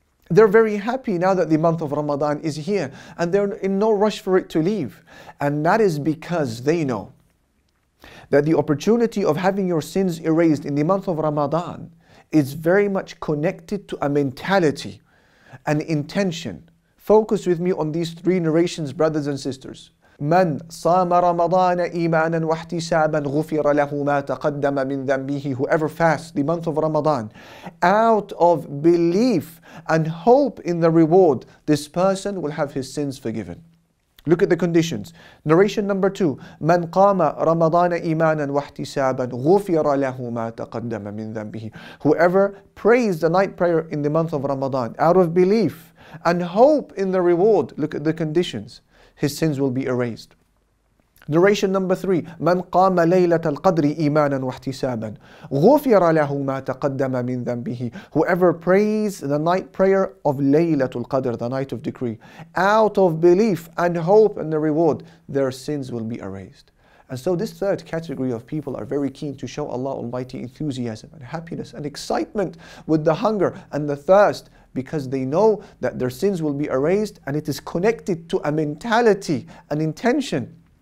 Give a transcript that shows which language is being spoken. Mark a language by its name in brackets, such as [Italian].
[English] They're very happy now that the month of Ramadan is here, and they're in no rush for it to leave. And that is because they know that the opportunity of having your sins erased in the month of Ramadan is very much connected to a mentality, an intention. Focus with me on these three narrations, brothers and sisters. [Arabic] من صام رمضان إيمانا واحتسابا غفر له ما تقدم من ذنبه. [English] Whoever fasts the month of Ramadan out of belief and hope in the reward, this person will have his sins forgiven. Look at the conditions. Narration number two. [Arabic] من قام رمضان إيمانا واحتسابا غفر له ما تقدم من ذنبه. [English] Whoever prays the night prayer in the month of Ramadan out of belief and hope in the reward, look at the conditions, his sins will be erased. Narration number three. [Arabic] من قام ليلة القدر إيمانا واحتسابا غفر له ما تقدم من ذنبه. [English] Whoever prays the night prayer of ليلة القدر, the night of decree, out of belief and hope and the reward, their sins will be erased. And so this third category of people are very keen to show Allah Almighty enthusiasm and happiness and excitement with the hunger and the thirst, because they know that their sins will be erased and it is connected to a mentality, an intention.